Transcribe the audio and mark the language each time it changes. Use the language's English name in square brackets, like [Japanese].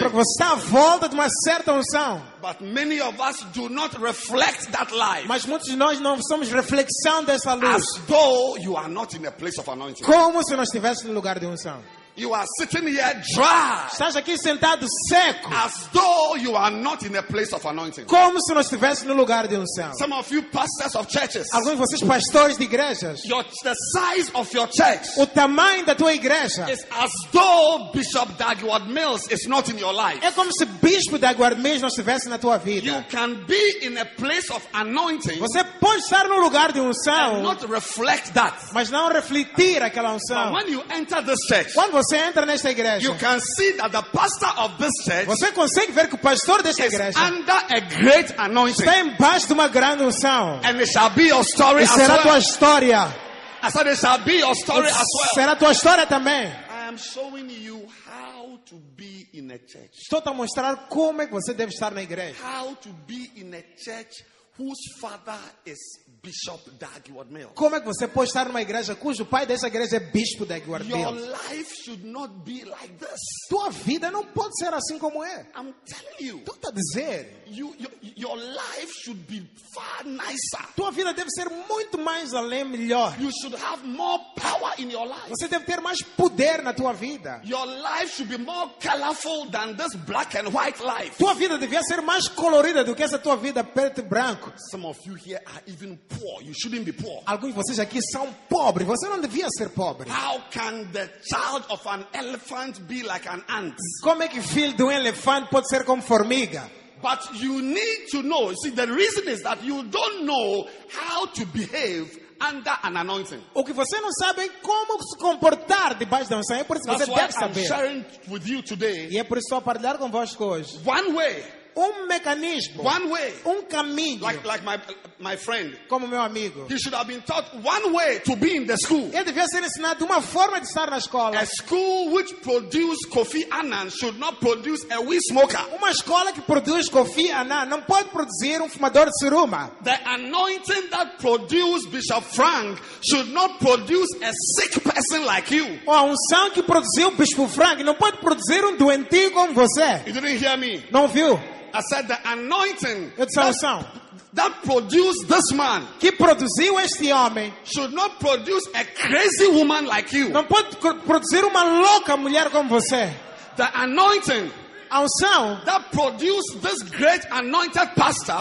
[Portuguese] porque você está à volta de uma certa unção. [English] But many of us do not reflect that light. [Portuguese] Mas muitos de nós não somos reflexão dessa luz. [English] As though you are not in a place of anointing. [Portuguese] Como se não estivesse no lugar de unção. [English] You are sitting here dry. [Portuguese] Estás aqui sentado seco. [English] As though you are not in a place of anointing. [Portuguese] Como se não estivesse no lugar de unção. [English] Some of you pastors of churches. [Portuguese] Alguns de vocês pastores de igrejas. [English] The size of your church. [Portuguese] O tamanho da tua igreja. [English] Is as though Bishop Dagwood Mills is not in your life. [Portuguese] É como se Bispo Dagwood Mills não estivesse na tua vida. [English] You can be in a place of anointing. [Portuguese] Você pode estar no lugar de unção. [English] And not reflect that. [Portuguese] Mas não refletir aquela unção. [English] But when you enter this church. [Portuguese] Você entra nesta igreja. [English] You can see that the pastor of this church, [Portuguese] você consegue ver que o pastor desta igreja, [English] under a great anointing, [Portuguese] está embaixo de uma grande unção. [English] And it shall be your story. [Portuguese] E será [English] as well. [Portuguese] Tua história. [English] I said it shall be your story [Portuguese] será [English] as well. [Portuguese] Será tua história também. [English] I am showing you how to be in a church. [Portuguese] Estou a mostrar como é que você deve estar na igreja. [English] How to be in a church whose father is Bishop Dagwood Mills. [Portuguese] Como é que você pode estar numa igreja cujo pai dessa igreja é Bispo Dagwood Mills? [English] Your life should not be like this. [Portuguese] Tua vida não pode ser assim como é. [English] I'm telling you. [Portuguese] Tô a dizer. [English] Your life should be far nicer. [Portuguese] Tua vida deve ser muito mais além melhor. [English] You should have more power in your life. [Portuguese] Você deve ter mais poder na tua vida. [English] Your life should be more colorful than this black and white life. [Portuguese] Tua vida devia ser mais colorida do que essa tua vida preto e branco. [English] Some of you here are even poor. You shouldn't be poor. [Portuguese] Alguns de vocês aqui são pobres. Você não devia ser pobre. [English] How can the child of an elephant be like an ant? [Portuguese] Como é que filho de elefante pode ser como formiga? [English] But you need to know. See, the reason is that you don't know how to behave under an anointing. [Portuguese] O que você não sabe como se comportar debaixo da unção. É por isso que você deve saber. [English] I'm sharing with you today. [Portuguese] E é por isso que estou a partilhar convosco hoje. [English] One way. [Portuguese] Mecanismo, [English] one way, [Portuguese] um caminho, [English] like my friend, [Portuguese] como meu amigo, [English] he should have been taught one way to be in the school. [Portuguese] Ele devia ser ensinado uma forma de estar na escola. [English] A school which produces Kofi Annan should not produce a weed smoker. [Portuguese] Uma escola que produz Kofi Annan não pode produzir fumador de ciruma. [English] The anointing that produces Bishop Frank should not produce a sick person like you. [Portuguese] Ou a unção que produziu Bispo Frank não pode produzir doentio como você. [English] You didn't hear me. [Portuguese] Não viu? [English] I said the anointing that produced this man [Portuguese] que produziu este homem [English] should not produce a crazy woman like you. [Portuguese] Não pode produzir uma louca mulher como você. [English] The anointing that produced this great anointed pastor